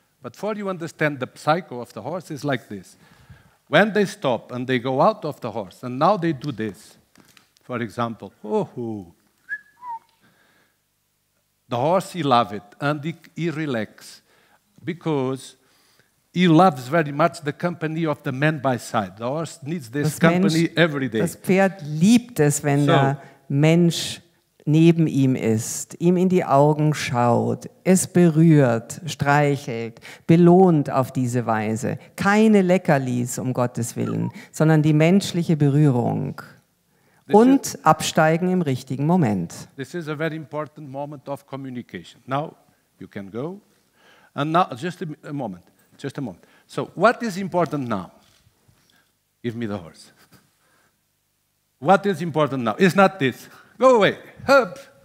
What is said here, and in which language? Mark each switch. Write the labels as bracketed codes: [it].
[en] But for you understand the psycho of the horse is like this. When they stop and they go out of the horse, and now they do this. For example, oh-hoo. The horse, he loves it, and he relaxes. Because he loves very much the company of the man by side. The horse needs this [de] das company Mensch, [en] every day. [de] Das Pferd liebt es, wenn der Mensch neben ihm ist, ihm in die Augen schaut, es berührt, streichelt, belohnt auf diese Weise. Keine Leckerlis, um Gottes Willen, sondern die menschliche Berührung. Und absteigen im richtigen Moment. [en] This is a very important moment of communication. Now, you can go. And now, just a moment. So, what is important now? Give me the horse. What is important now? It's not this. Go away. Hup.